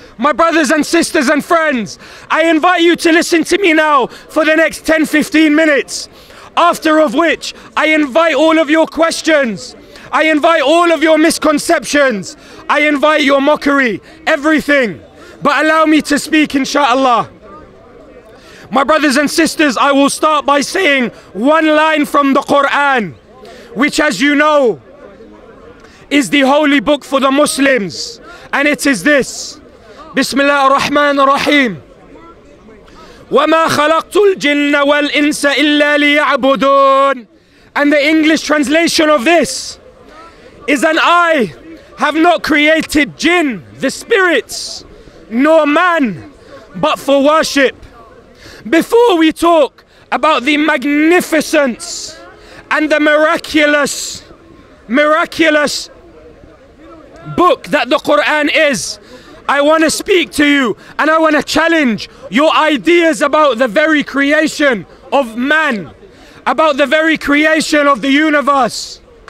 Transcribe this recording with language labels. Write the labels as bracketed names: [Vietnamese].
[English] My brothers and sisters and friends, I invite you to listen to me now for the next 10-15 minutes, after of which I invite all of your questions, I invite all of your misconceptions, I invite your mockery, everything. But allow me to speak, inshallah. My brothers and sisters, I will start by saying one line from the Quran, which, as you know, is the holy book for the Muslims, and it is this. [Arabic] بسم الله الرحمن الرحيم وما خلقت الجن والإنس إلا ليعبدون. [English] And the English translation of this is, and I have not created jinn, the spirits, nor man, but for worship. Before we talk about the magnificence and the miraculous book that the Quran is, I want to speak to you and I want to challenge your ideas about the very creation of man, about the very creation of the universe.